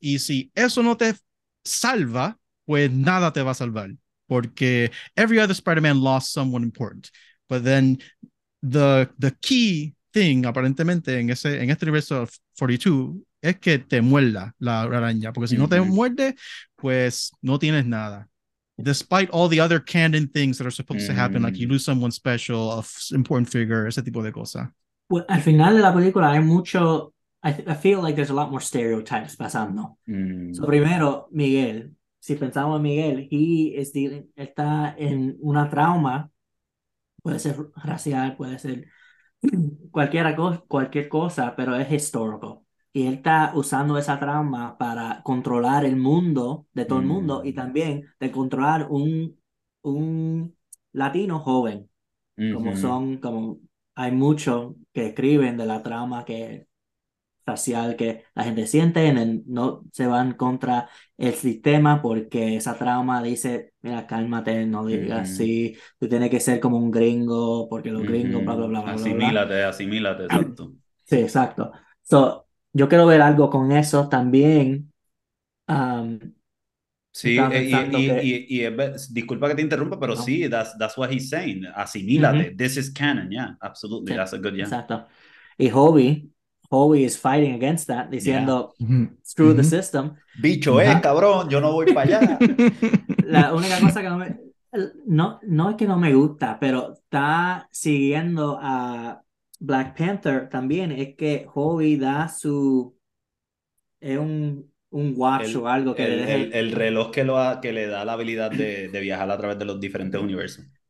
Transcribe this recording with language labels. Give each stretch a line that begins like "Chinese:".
Spanish: Y si eso no te salva, pues nada te va a salvar, porque
English: every other Spider-Man lost someone important, but then the key thing,
Spanish: aparentemente, en este universo
English: of 42,
Spanish: es que te muerda la araña, porque si no te muerde, pues no tienes nada.
English: Despite all the other canon things that are supposed to happen, like you lose someone special, an important figure,
Spanish: ese tipo de cosas.
English: Well,
Spanish: al final de la película hay mucho.
English: I feel like there's a lot more stereotypes
Spanish: pasando. So, primero, Miguel. Si pensamos en Miguel, está en una trauma. Puede ser racial, puede ser cualquier cosa, pero es histórico. Y él está usando esa trauma para controlar el mundo de todo el mundo y también de controlar un latino joven, como hay muchos que escriben de la trauma que racial que la gente siente, no se van contra el sistema porque esa trauma dice, mira, cálmate, no digas así, tú tienes que ser como un gringo porque los gringos, bla, bla, bla, bla, Asimílate, bla, bla. exacto. Sí, exacto. So, yo quiero ver algo con eso también. Sí, Estaba pensando que. disculpa que te interrumpa, pero No.
English: sí, that's what he's saying.
Spanish: Asimílate,
English: this is canon, yeah, absolutely,
Spanish: Sí,
English: that's a good, yeah.
Spanish: exacto. Y Hobie,
English: Howie is fighting against that,
Spanish: diciendo,
English: screw the system.
Spanish: Bicho, cabrón, yo no voy para allá. La única cosa que no es que no me gusta, pero está siguiendo a Black Panther también, es que Howie da su... Es un watch o algo que le deje... El reloj que le da la habilidad de viajar a través de los diferentes universos.